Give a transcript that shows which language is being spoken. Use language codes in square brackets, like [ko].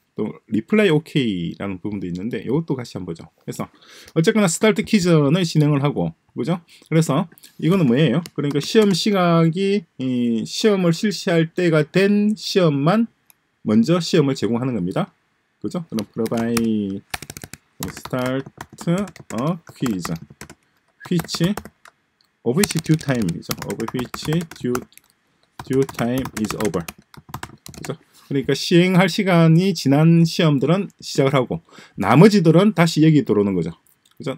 [ko] 또 리플라이 오케이라는 부분도 있는데 이것도 같이 한번 보죠. 그래서 어쨌거나 스타트 퀴즈는 진행을 하고 그죠? 그래서 이거는 뭐예요? 그러니까 시험 시각이 이 시험을 실시할 때가 된 시험만 먼저 시험을 제공하는 겁니다. 그죠? [en] 그럼 provide start a quiz which of which due time is of which due time is over. [ko] 그죠? 그러니까 시행할 시간이 지난 시험들은 시작을 하고 나머지들은 다시 여기 들어오는 거죠. 그죠?